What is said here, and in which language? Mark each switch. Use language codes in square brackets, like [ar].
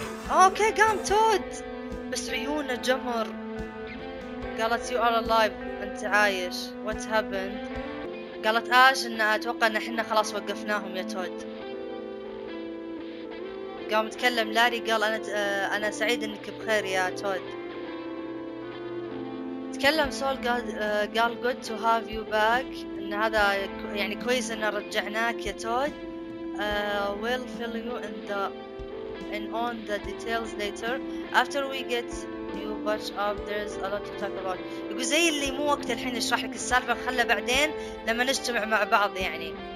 [ar] اوكي قام تود بس عيونه جمر. قالت [en] you are alive [ar] انت عايش. [en] What happened? [ar] قالت اش ان اتوقع ان حنا خلاص وقفناهم يا تود. قام تكلم لاري قال انا سعيد انك بخير يا تود. تكلم سول قال [en] good to have you back. [ar] ان هذا يعني كويس ان رجعناك يا تود. [en] We'll fill you in on the details later after we get you bunch up. There's a lot to talk about. [ar] يقول زي اللي مو وقت الحين اشرح لك السالفة خلها بعدين لما نجتمع مع بعض يعني.